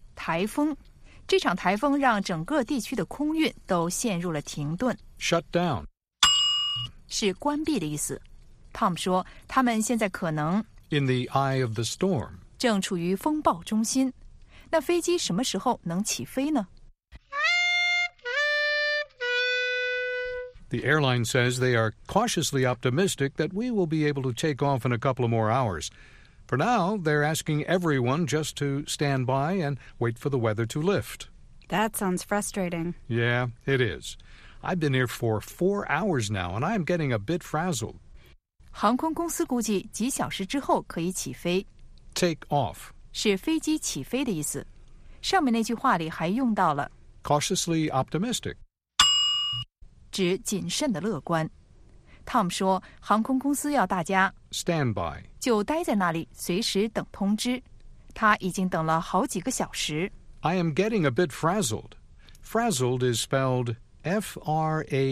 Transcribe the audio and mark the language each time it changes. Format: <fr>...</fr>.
<zh>台风，这场台风让整个地区的空运都陷入了停顿。</zh> <en>Shut down.</en> <zh>是关闭的意思。 Tom 说，他们现在可能</zh> <en>In the eye of the storm.</en> <zh>正处于风暴中心。那飞机什么时候能起飞呢?</zh> <en>The airline says they are cautiously optimistic that we will be able to take off in a couple of more hours. For now, they're asking everyone just to stand by and wait for the weather to lift. That sounds frustrating. Yeah, it is. I've been here for 4 hours now, and I'm getting a bit frazzled.</en> <zh>航空公司估计几小时之后可以起飞。</zh> <en>Take off</en> <zh>是飞机起飞的意思。上面那句话里还用到了</zh> <en>cautiously optimistic，</en> <zh>指谨慎的乐观。 Tom 说，航空公司要大家</zh> <en>stand by，</en> <zh>就待在那里，随时等通知。他已经等了好几个小时。</zh> <en>I am getting a bit frazzled. Frazzled is spelled F-R-A-Z-Z-L-E-D.</en>